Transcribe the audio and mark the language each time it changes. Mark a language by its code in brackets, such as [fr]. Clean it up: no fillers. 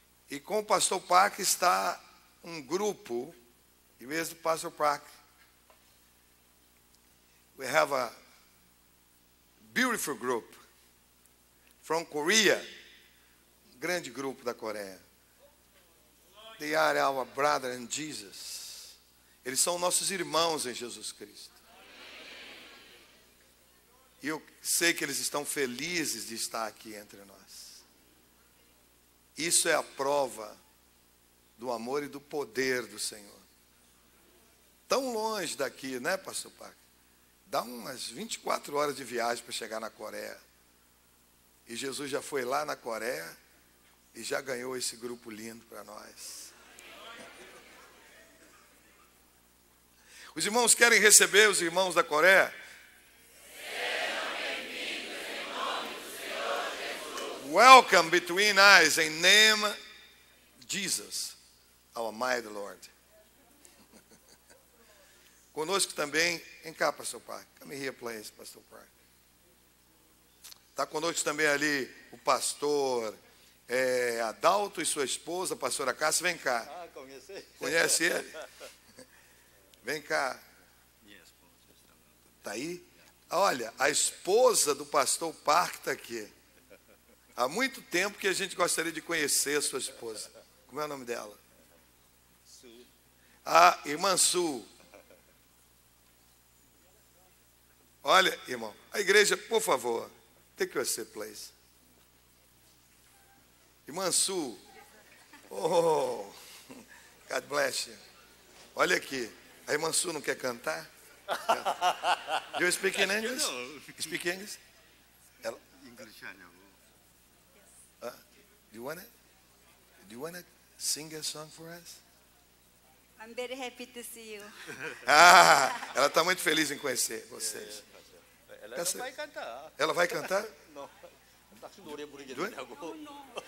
[pt] E com o Pastor Park está um grupo, e mesmo Pastor Park. [en] We have a beautiful group from Korea. [pt] Um grande grupo da Coreia. [en] They are our brother in Jesus. [pt] Eles são nossos irmãos em Jesus Cristo. E eu sei que eles estão felizes de estar aqui entre nós. Isso é a prova do amor e do poder do Senhor. Tão longe daqui, né, Pastor Paco? Dá umas 24 horas de viagem para chegar na Coreia. E Jesus já foi lá na Coreia e já ganhou esse grupo lindo para nós. Os irmãos querem receber os irmãos da Coreia? Sejam bem-vindos em nome do Senhor Jesus. [en] Welcome between us in name Jesus, our mighty Lord. [pt] Conosco também, vem cá, Pastor Park. [en] Come here, please, Pastor Park. [pt] Está conosco também ali o pastor Adalto e sua esposa, a pastora Cássia. Vem cá. Ah, conheci. Conhece ele? Vem cá. Está aí? Olha, a esposa do pastor Park está aqui. Há muito tempo que a gente gostaria de conhecer a sua esposa. Como é o nome dela? Su. Ah, irmã Su. Olha, irmão, a igreja, por favor, [en] take your seat, please. Irmã Su. Oh, God bless you. [pt] Olha aqui. A irmã Su não quer cantar? [en] Do you speak in English? [pt] Não. [en] Speak English? [pt] Ela? English, não. [en] Do you want to sing a song for us? I'm very happy to see you. [pt] Ah, ela está muito feliz em conhecer vocês. Ela não vai cantar. Ela vai cantar? Não. Está com dor em barriga agora. Não.